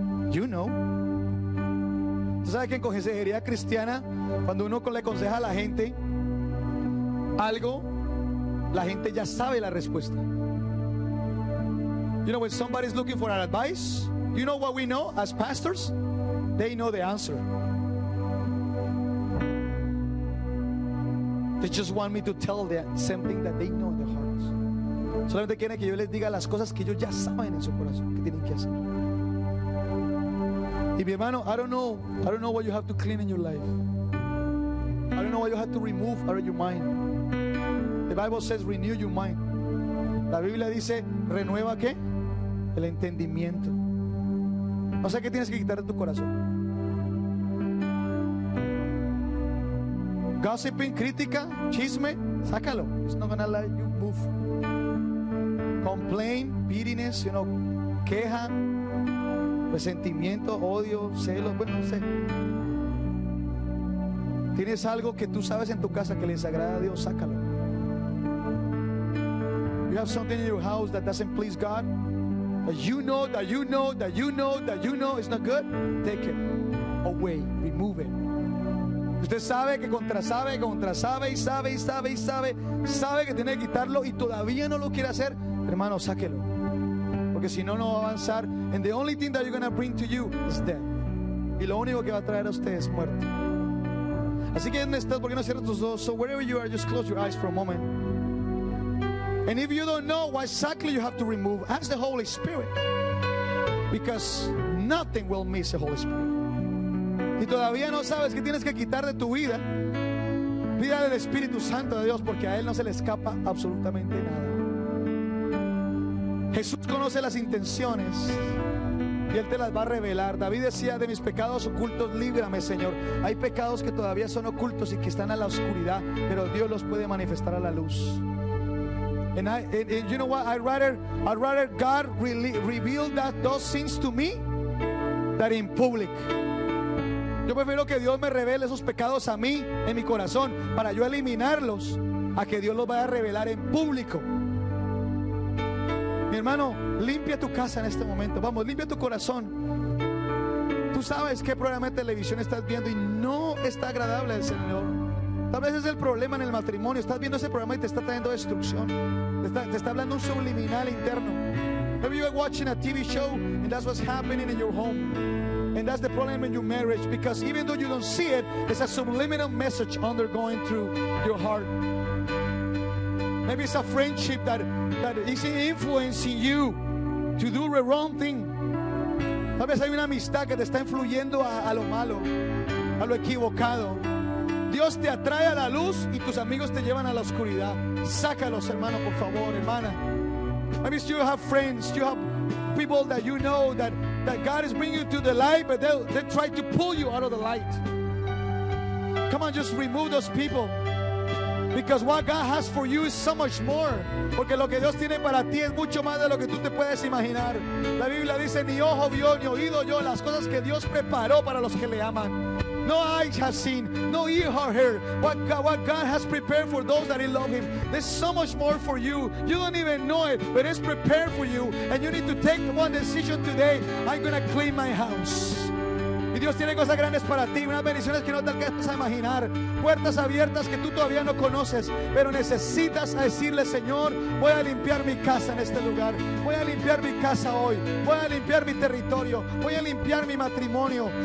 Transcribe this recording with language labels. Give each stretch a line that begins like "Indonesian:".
English: You know.
Spanish: ¿Tú sabes que en consejería cristiana, cuando uno le aconseja a la gente algo, la gente ya sabe la respuesta?
English: You know, when somebody's looking for our advice, you know what we know as pastors? They know the answer. They just want me to tell them something that they know in their hearts.
Spanish: Solamente quieren que yo les diga las cosas que ellos ya saben en su corazón que tienen que hacer. Y mi hermano,
English: I don't know what you have to clean in your life. I don't know what you have to remove out of your mind. The Bible says renew your mind.
Spanish: La Biblia dice, ¿renueva qué? El entendimiento. O sea, ¿qué tienes que quitar de tu corazón?
English: Gossiping,
Spanish: crítica, chisme, sácalo.
English: It's not gonna let you move. Complain, bitterness, you know,
Spanish: queja, resentimiento, odio, celos, bueno, no sé. Tienes algo que tú sabes en tu casa que le desagrada a Dios, sácalo.
English: You have something in your house that doesn't please God, that you know it's not good, take it away, remove it.
Spanish: Usted sabe que sabe que tiene que quitarlo y todavía no lo quiere hacer, hermano, sáquelo. Porque si no, no va a avanzar.
English: And the only thing that you're going to bring to you is death.
Spanish: Y lo único que va a traer a usted es muerte. Así que, ¿dónde estás? ¿Por qué no cierras tus ojos?
English: So wherever you are, just close your eyes for a moment. And if you don't know what exactly you have to remove, ask the Holy Spirit. Because nothing will miss the Holy Spirit.
Spanish: Y todavía no sabes qué tienes que quitar de tu vida, pídale al Espíritu Santo de Dios, porque a Él no se le escapa absolutamente nada. Jesús conoce las intenciones y Él te las va a revelar. David decía: de mis pecados ocultos líbrame, Señor. Hay pecados que todavía son ocultos y que están a la oscuridad, pero Dios los puede manifestar a la luz.
English: And you know what? I'd rather God reveal that those things to me than in public.
Spanish: Yo prefiero que Dios me revele esos pecados a mí en mi corazón para yo eliminarlos, a que Dios los vaya a revelar en público. Mi hermano, limpia tu casa en este momento. Vamos, limpia tu corazón. Tú sabes qué programa de televisión estás viendo y no está agradable al Señor. Tal vez es el problema en el matrimonio. Estás viendo ese programa y te está trayendo destrucción. Te está hablando un subliminal interno.
English: Maybe you are watching a TV show and that's what's happening in your home. And that's the problem in your marriage, because even though you don't see it, it's a subliminal message undergoing through your heart. Maybe it's a friendship that is influencing you to do the wrong thing.
Spanish: Tal vez hay una amistad que te está influyendo a lo malo, a lo equivocado. Dios te atrae a la luz y tus amigos te llevan a la oscuridad. Sácalos, hermano, por favor, hermana.
English: Maybe you have friends, you have people that you know that God is bringing you to the light, but they try to pull you out of the light. Come on, just remove those people. Because what God has for you is so much more.
Spanish: Porque lo que Dios tiene para ti es mucho más de lo que tú te puedes imaginar. La Biblia dice: ni ojo vio, ni oído yo las cosas que Dios preparó para los que le aman.
English: No eyes have seen, no ear heard what God has prepared for those that love Him. There's so much more for you. You don't even know it, but it's prepared for you. And you need to take one decision today: I'm going to clean my house.
Spanish: Y Dios tiene cosas grandes para ti, unas bendiciones que no te alcanzas a imaginar, puertas abiertas que tú todavía no conoces, pero necesitas decirle: Señor, voy a limpiar mi casa en este lugar, voy a limpiar mi casa hoy, voy a limpiar mi territorio, voy a limpiar mi matrimonio.